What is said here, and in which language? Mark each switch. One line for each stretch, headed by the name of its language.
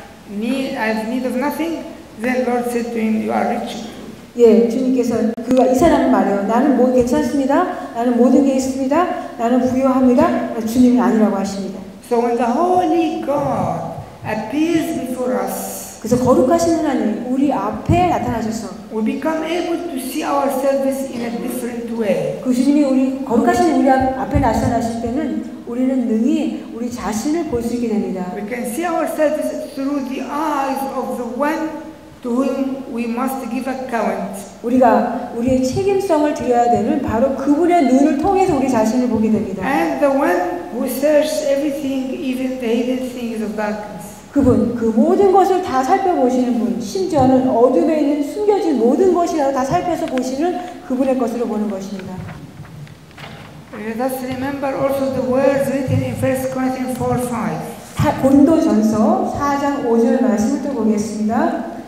English: I have need of nothing," then Lord said to him, "You are rich."
Korean: 예, 주님께서 그가 이 사람을 말해요. 나는 뭐 괜찮습니다. 나는 모든 게 있습니다. 나는 부유합니다. 주님이 아니라고 하십니다.
English: So when the Holy God appears before us,
Korean: 그래서 거룩하신 하나님 우리 앞에 나타나셔서,
English: we become able to see ourselves in a different way.
Korean: 그 주님이 우리 거룩하신 우리 앞에 나타나실 때는 우리는 능히 우리 자신을 볼 수 있게 됩니다.
English: We can see ourselves through the eyes of the one. To whom we must give account.
Korean: 우리가 우리의 책임성을 드려야 되는 바로 그분의 눈을 통해서 우리 자신을 보게 됩니다.
English: And the one who searches everything, even the hidden things of darkness.
Korean: 그분 그 모든 것을 다 살펴보시는 분, 심지어는 어둠에 있는 숨겨진 모든 것이라도 다 살펴서 보시는 그분의 것으로 보는 것입니다.
English: Let us remember also the words written in 1 Corinthians 4:5.
Korean: 고린도전서 4장 5절 말씀을 또 보겠습니다.